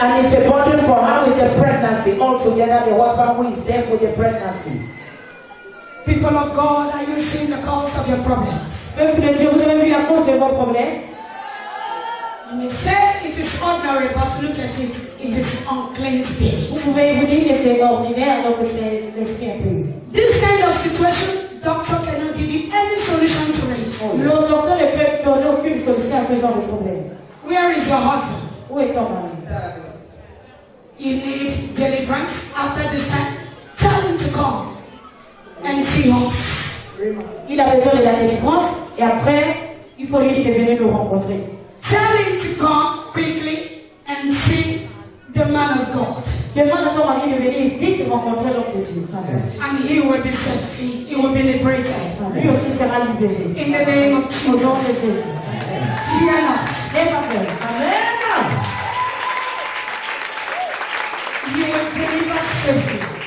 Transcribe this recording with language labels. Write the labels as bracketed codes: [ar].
[en] And it's important for her with the pregnancy altogether, the husband who is there for the pregnancy. People of God, are you seeing the cause of your problems? [fr] Peuple de Dieu, vous avez vu la cause de vos problèmes? [en] And he said it is ordinary, but look at it. It is unclean spirit. [fr] Vous pouvez vous dire que c'est ordinaire, donc c'est l'esprit impur. [en] This kind of situation, doctor cannot give you any solution to it. [fr] Le docteur ne peut donner aucune solution à ce genre de problème. [en] Where is your husband? [fr] Où est ton mari? [en] You need deliverance after this time. Tell him to come and see us. [fr] Il a besoin de la délivrance et après, il faut lui dire de venir nous rencontrer. [en] Tell him to come quickly and see the man of God. [fr] Demande à ton mari de venir vite rencontrer l'homme de Dieu. [en] And he will be set free. He will be liberated. [fr] Lui aussi sera libéré. [en] In the name of Jesus. [fr] Au nom de Jésus. [en] Fear not. Amen. Amen. You will deliver safely.